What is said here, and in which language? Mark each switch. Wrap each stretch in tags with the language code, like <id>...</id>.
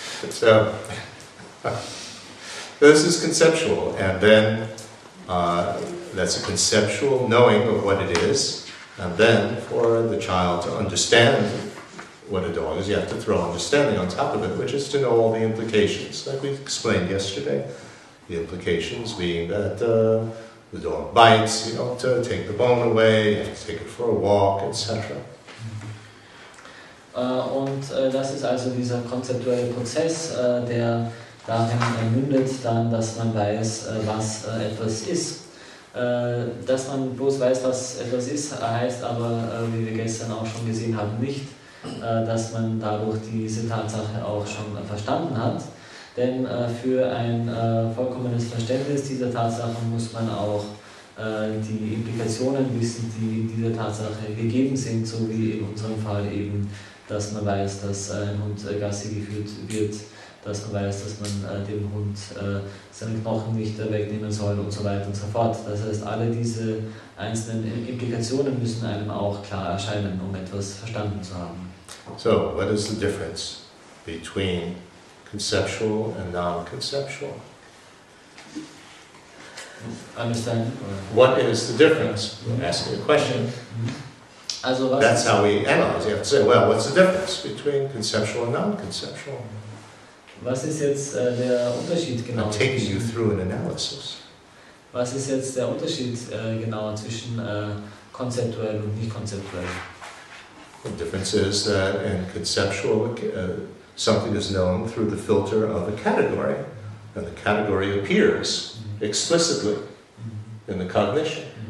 <en>So, this is conceptual, and then that's a conceptual knowing of what it is, and then for the child to understand what a dog is, you have to throw understanding on top of it, which is to know all the implications, like we explained yesterday. The implications being that the dog bites, you know, to take the bone away, you have to take it for a walk, etc.</en> <de>Und das ist also dieser konzeptuelle Prozess, der darin mündet, dann, dass man weiß, was etwas ist. Dass man bloß weiß, was etwas ist, heißt aber, wie wir gestern auch schon gesehen haben, nicht, dass man dadurch diese Tatsache auch schon verstanden hat. Denn für ein vollkommenes Verständnis dieser Tatsache muss man auch die Implikationen wissen, die in dieser Tatsache gegeben sind, so wie in unserem Fall eben, dass man weiß, dass ein Hund Gassi geführt wird, dass man weiß, dass man dem Hund seine Knochen nicht wegnehmen soll und so weiter und so fort. Das heißt, alle diese einzelnen Implikationen müssen einem auch klar erscheinen, um etwas verstanden zu haben.</de> <en>So, what is the difference between conceptual and non-conceptual? Understand? What is the difference? We're asking a question.</en> <de>Also,</de> <en>that's how we analyze. You have to say, well, what's the difference between conceptual and non-conceptual?</en> <de>Was ist jetzt der Unterschied genau?</de> <en>I'm taking you through an analysis.</en> <de>Was ist jetzt der Unterschied genau zwischen konzeptuell und nicht konzeptuell?</de> <en>The difference is that in conceptual, something is known through the filter of a category, and the category appears explicitly in the cognition.</en>